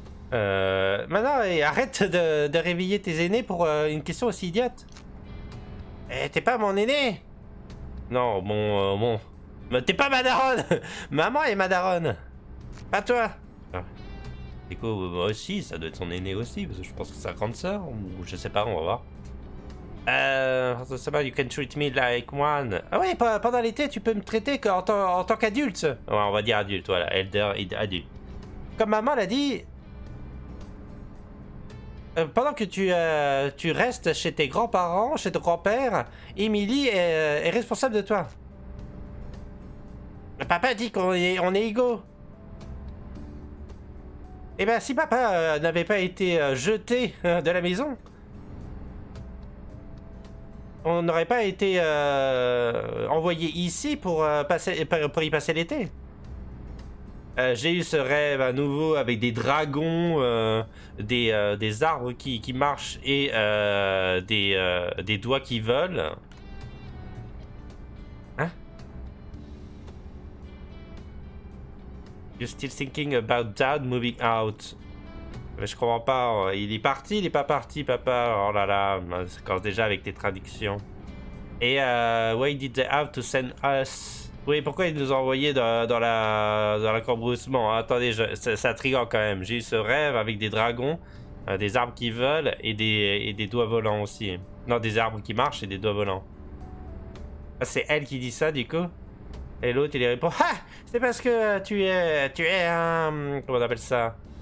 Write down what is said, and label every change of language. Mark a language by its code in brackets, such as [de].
[fr] Maintenant, arrête de réveiller tes aînés pour une question aussi idiote! Eh, t'es pas mon aîné! Non, bon. Mais t'es pas ma daronne! Maman est ma daronne! Pas toi! Du coup, moi aussi, ça doit être son aîné aussi, parce que je pense que c'est sa grande sœur, ou je sais pas, on va voir. Ça va, [en] you can treat me like one. [fr] Ah ouais, pendant l'été, tu peux me traiter en tant qu'adulte! Ouais, on va dire adulte, voilà, elder adulte. Comme maman l'a dit. Pendant que tu restes chez tes grands-parents, chez ton grand-père, Émilie est responsable de toi. Le papa dit qu'on est égaux. Eh ben, si papa n'avait pas été jeté de la maison, on n'aurait pas été envoyé ici pour y passer l'été. J'ai eu ce rêve à nouveau avec des dragons, des arbres qui marchent et des doigts qui volent. [en] You're still thinking about dad moving out. [fr] Mais je comprends pas, il est parti, il est pas parti, papa. Oh là là, ça commence déjà avec tes traductions. Et [en] why did they have to send us? [fr] Oui, pourquoi ils nous ont envoyés dans la cambrousse? Attendez, c'est intriguant quand même. J'ai eu ce rêve avec des dragons, des arbres qui volent et des doigts volants aussi. Non, des arbres qui marchent et des doigts volants. Ah, c'est elle qui dit ça du coup. Et l'autre, il répond: Ah! C'est parce que tu es un. Comment on appelle ça?